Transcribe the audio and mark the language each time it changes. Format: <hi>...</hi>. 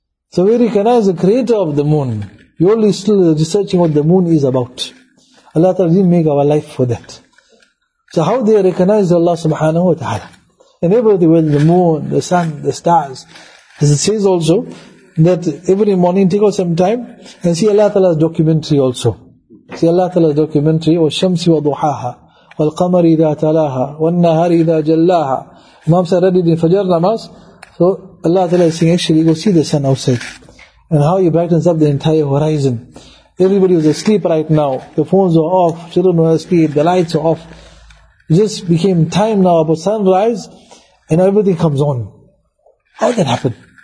<en>So we recognize the creator of the moon. You're only still researching what the moon is about. Allah Ta'ala didn't make our life for that. So how they recognize Allah subhanahu wa ta'ala? In every way, the moon, the sun, the stars. As it says also, that every morning take out some time and see Allah Ta'ala's documentary also. See Allah Ta'ala's documentary,</en> <ar>وَالشَّمْسِ وَضُحَاهَا وَالْقَمَرِ إِذَا تَلَاهَا وَالنَّهَارِ إِذَا جَلَّاهَا.</ar> <en>Imam said, ready the Fajr namaz. So Allah Ta'ala is saying, actually go see the sun outside. And how he brightens up the entire horizon. Everybody was asleep right now. The phones were off, children were asleep, the lights were off. It just became time now about sunrise and everything comes on. How did that happen?</en>